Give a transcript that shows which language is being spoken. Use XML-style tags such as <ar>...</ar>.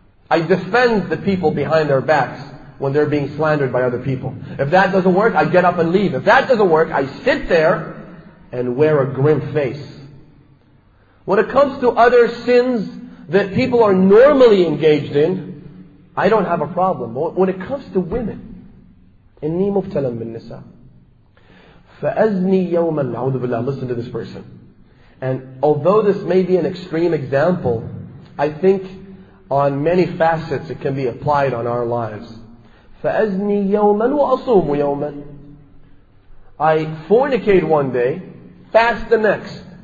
<en>I defend the people behind their backs when they're being slandered by other people. If that doesn't work, I get up and leave. If that doesn't work, I sit there and wear a grim face. When it comes to other sins that people are normally engaged in, I don't have a problem. But when it comes to women,</en> <ar>إِنِّي مُفْتَلًا بِالنِّسَىٰ فَأَزْنِي يَوْمًا أَعُوذُ بِاللَّهِ.</ar> <en>Listen to this person. And although this may be an extreme example, I think on many facets it can be applied on our lives.</en> <ar>فَأَزْنِي يَوْمًا وَأَصُومُ يَوْمًا.</ar> <en>I fornicate one day, fast the next.</en>